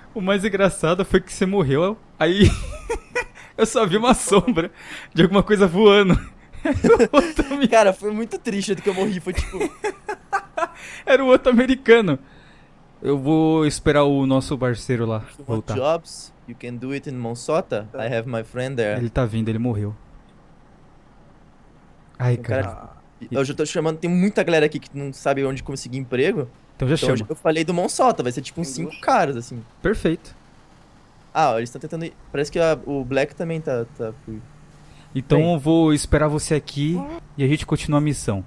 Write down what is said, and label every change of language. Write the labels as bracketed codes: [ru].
[pt] O mais engraçado foi que você morreu, aí eu só vi uma sombra de alguma coisa voando. Cara, foi muito triste do que eu morri, foi tipo... Era um outro americano. Eu vou esperar o nosso parceiro lá voltar. [en] Jobs, you can do it in Monsota, I have my friend there. [pt] Ele tá vindo, ele morreu. Ai, cara. Eu já tô chamando, tem muita galera aqui que não sabe onde conseguir emprego. Então já então chama. Eu falei do Monsota, vai ser tipo uns 5 caras, assim. Perfeito. Ah, eles estão tentando ir. Parece que o Black também tá. Então bem. Eu vou esperar você aqui e a gente continua a missão.